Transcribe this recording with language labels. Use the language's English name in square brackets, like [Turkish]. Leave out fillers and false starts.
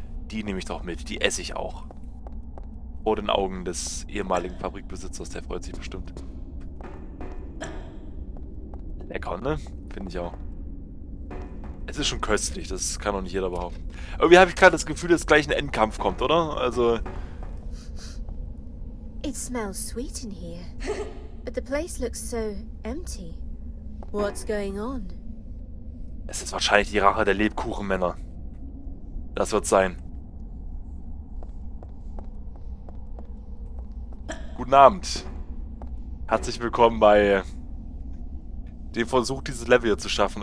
[German] Die nehme ich doch mit, die esse ich auch. Vor den Augen des ehemaligen Fabrikbesitzers, der freut sich bestimmt. Lecker, ne? Finde ich auch. Es ist schon köstlich, das kann doch nicht jeder behaupten. Irgendwie habe ich gerade das Gefühl, dass gleich ein Endkampf kommt, oder? Also. [English] It smells sweet in here. But the place looks so empty. What's going on? [German] Es ist wahrscheinlich die Rache der Lebkuchenmänner. Das wird sein. Guten Abend. Herzlich willkommen bei. Den Versuch, dieses Level hier zu schaffen.